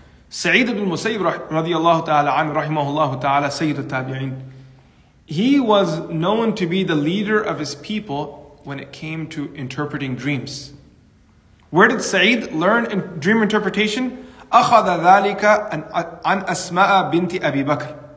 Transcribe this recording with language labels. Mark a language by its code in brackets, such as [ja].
[ar] سعيد ابن المسيب رضي الله تعالى عنه رحمه الله تعالى سيد التابعين. [en] He was known to be the leader of his people when it came to interpreting dreams. Where did Saeed learn in dream interpretation? [ar] أخذ ذلك عن أسماء بنت أبي بكر.